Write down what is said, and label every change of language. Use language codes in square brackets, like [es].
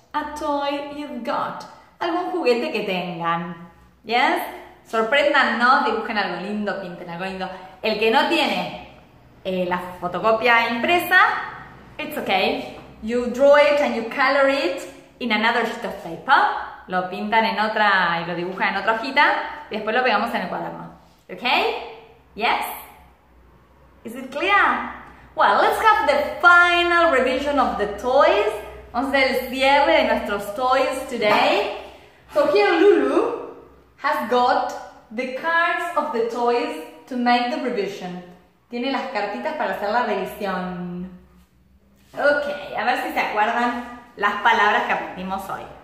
[en] A toy you've got. [es] Algún juguete que tengan. [en] Yes? [es] Sorpréndanos, dibujen algo lindo, pinten algo lindo. El que no tiene la fotocopia impresa, [en] it's okay. You draw it and you color it in another sheet of paper. [es] Lo pintan en otra y lo dibujan en otra hojita. Y después lo pegamos en el cuaderno. [en] Okay? Yes? Is it clear? Well, let's have the final revision of the toys. [es] Vamos a hacer el cierre de nuestros toys today. [en] So here Lulu has got the cards of the toys to make the revision. [es] Tiene las cartitas para hacer la revisión. Ok, a ver si se acuerdan las palabras que aprendimos hoy.